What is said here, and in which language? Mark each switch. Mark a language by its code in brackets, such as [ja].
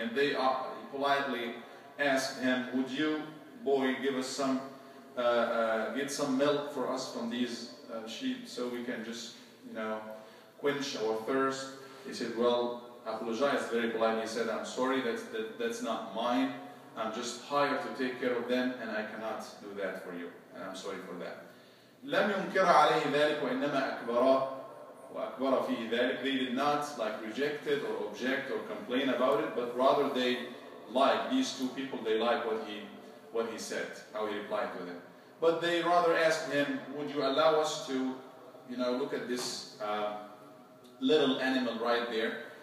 [en] And they politely asked him, "Would you, boy, give us some, get some milk for us from these sheep, so we can just, you know, quench our thirst?" He said, "Well, apologize," very politely. He said, "I'm sorry, that's not mine. I'm just hired to take care of them, and I cannot do that for you. And I'm sorry for that." [ar] لم ينكر عليه ذلك وإنما أكبر فيه ذلك. [en] They did not like reject it or object or complain about it, but rather they liked, these two people, they liked what he said, how he replied to them. But they rather asked him, "Would you allow us to, you know, look at this little animal right there?"